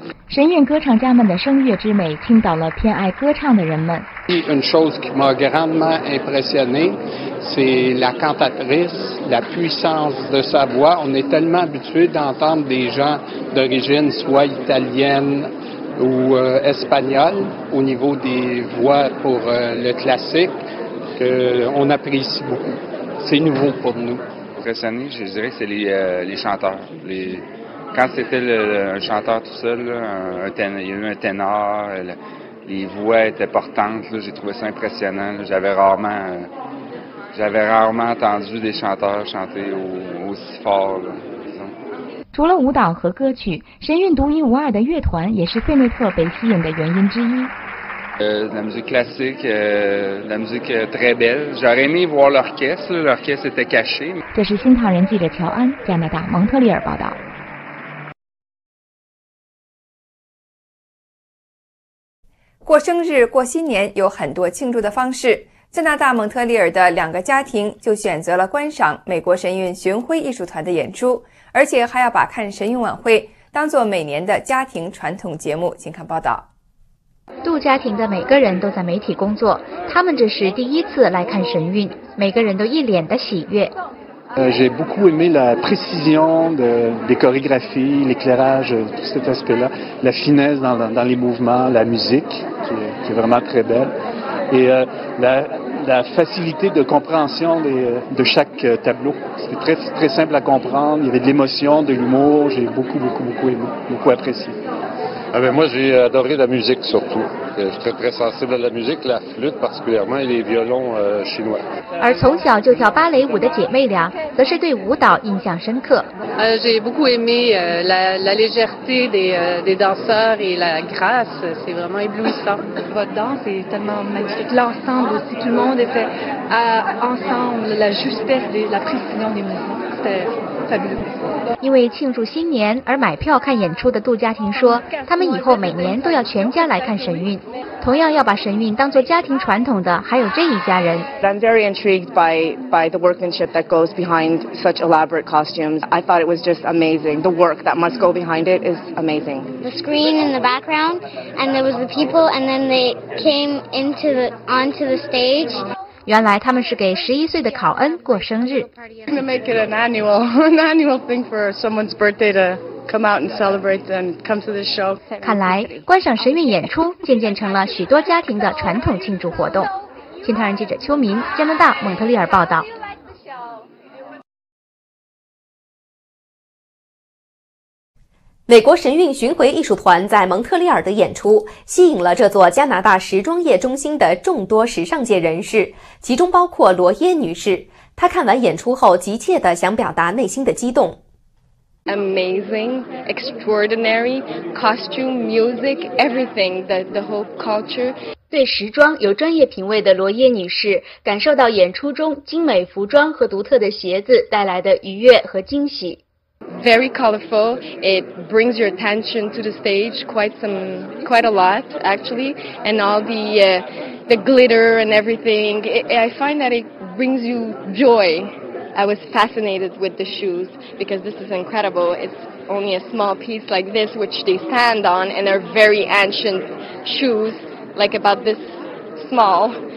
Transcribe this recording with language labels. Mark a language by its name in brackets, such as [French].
[Chinese] 神韵歌唱家们的声乐之美倾倒了偏爱歌唱的人们。 [French] Une chose qui m'a grandement impressionné, c'est la cantatrice, la puissance de sa voix. On est tellement habitué d'entendre des gens d'origine soit italienne, ou espagnole au niveau des voix pour le classique qu'on apprécie beaucoup. C'est nouveau pour nous. Impressionné, je dirais que c'est les chanteurs. Quand c'était un chanteur tout seul, il y a eu un ténor, les voix étaient portantes, là, j'ai trouvé ça impressionnant. Là, j'avais rarement entendu des chanteurs chanter aussi fort. Là. [Chinese] 除了舞蹈和歌曲，神韵独一无二的乐团也是费内特被吸引的原因之一。 [French] La musique classique, la musique très belle. J'aurais aimé voir l'orchestre, l'orchestre était caché. [Chinese] 这是新唐人记者乔安，加拿大蒙特利尔报道。过生日、过新年有很多庆祝的方式。加拿大蒙特利尔的两个家庭就选择了观赏美国神韵巡回艺术团的演出，而且还要把看神韵晚会当作每年的家庭传统节目。请看报道。杜家庭的每个人都在媒体工作，他们这是第一次来看神韵，每个人都一脸的喜悦。 [French] J'ai beaucoup aimé la précision des chorégraphies, l'éclairage, tout cet aspect-là, la finesse dans les mouvements, la musique, qui est vraiment très belle, et la facilité de compréhension de chaque tableau. C'était très, très simple à comprendre, il y avait de l'émotion, de l'humour, j'ai beaucoup apprécié. Ah ben moi, j'ai adoré la musique surtout. Je suis très sensible à la musique, la flûte particulièrement et les violons chinois. [Chinese] 而从小就跳芭蕾舞的姐妹俩，则是对舞蹈印象深刻。 [French] J'ai beaucoup aimé la légèreté des danseurs et la grâce. C'est vraiment éblouissant. Votre danse est tellement magnifique. L'ensemble aussi, tout le monde était ensemble. La justesse de la précision des mouvements, c'était fabuleux. [Chinese] 因为庆祝新年而买票看演出的杜家庭说，他们以后每年都要全家来看神韵。同样要把神韵当作家庭传统的还有这一家人。 [English] I'm very intrigued by the workmanship that goes behind such elaborate costumes. I thought it was just amazing. The work that must go behind it is amazing. The screen in the background, and there was the people, and then they came onto the stage. [Chinese] 原来他们是给十一岁的考恩过生日。 [English] To make it an annual thing for someone's birthday to come out and celebrate and come to the show. [Chinese] 看来观赏神韵演出渐渐成了许多家庭的传统庆祝活动。新唐人记者邱明，加拿大蒙特利尔报道。美国神韵巡回艺术团在蒙特利尔的演出吸引了这座加拿大时装业中心的众多时尚界人士，其中包括罗耶女士。她看完演出后急切地想表达内心的激动。 [English] Amazing, extraordinary, costume, music, everything, the whole culture. [Chinese] 对时装有专业品味的罗耶女士感受到演出中精美服装和独特的鞋子带来的愉悦和惊喜。 [English] Very colorful. It brings your attention to the stage quite a lot, actually. And all the glitter and everything. I find that it brings you joy. I was fascinated with the shoes because this is incredible. It's only a small piece like this, which they stand on, and they're very ancient shoes, like about this small.